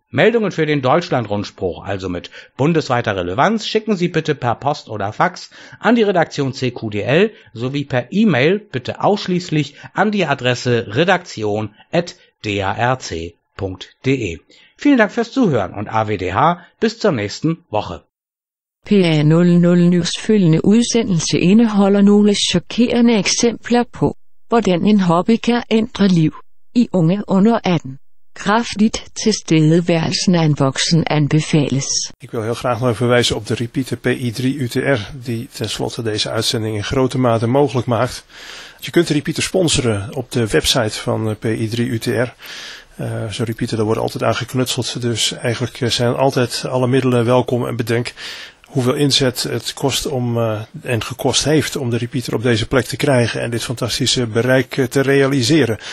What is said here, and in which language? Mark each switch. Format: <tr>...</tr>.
<de>Meldungen für den Deutschland-Rundspruch, also mit bundesweiter Relevanz, schicken Sie bitte per Post oder Fax an die Redaktion CQDL sowie per E-Mail bitte ausschließlich an die Adresse redaktion@darc.de. Vielen Dank fürs Zuhören und AWDH, bis zur nächsten Woche.</de> <da>PA00 News følgende udsendelse indeholder nogle chokerende eksempler på, hvordan en hobby kan ændre liv i unge under 18. Kraftigt tilstedeværelsen af en voksen anbefales.</da> <nl>Ik wil heel graag nog even wijzen op de repeater PI3UTR, die tenslotte deze uitzending in grote mate mogelijk maakt. Je kunt de repeater sponsoren op de website van PI3UTR. Zo'n repeater, daar wordt altijd aan geknutseld, dus eigenlijk zijn altijd alle middelen welkom en bedenk hoeveel inzet het kost om en gekost heeft om de repeater op deze plek te krijgen en dit fantastische bereik te realiseren.</nl>